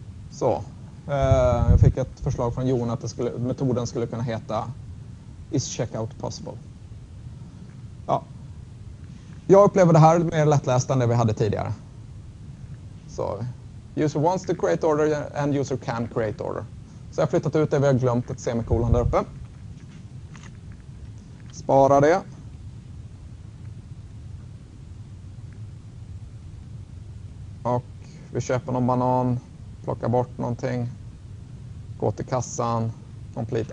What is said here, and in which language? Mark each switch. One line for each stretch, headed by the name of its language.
Swedish: Så, jag fick ett förslag från Jon att metoden skulle kunna heta is checkout possible. Ja. Jag upplever det här mer lättläst än det vi hade tidigare.
English: Så, user wants to create order and user can create order.
Swedish: Så jag har flyttat ut det vi har glömt, ett semikolon där uppe. Spara det. Och vi köper någon banan. Plocka bort någonting. Gå till kassan. Complete.